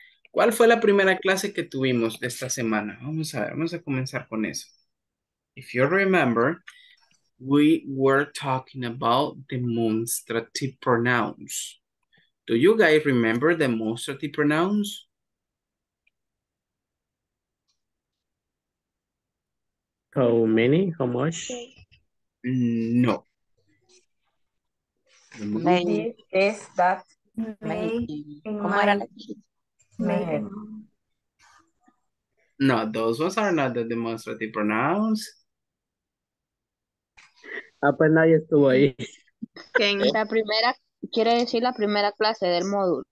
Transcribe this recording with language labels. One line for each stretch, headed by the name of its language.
Spanish: ¿Cuál fue la primera clase que tuvimos de esta semana? Vamos a ver, vamos a comenzar con eso.
English: If you remember, we were talking about demonstrative pronouns. Do you guys remember demonstrative pronouns? How many? How much? No. May, is that? May.
Spanish: ¿Cómo era?
English: Maybe. No, those ones are not the demonstrative pronouns.
Spanish: Apenas estuvo ahí. Que en la primera, quiere decir la primera clase del módulo.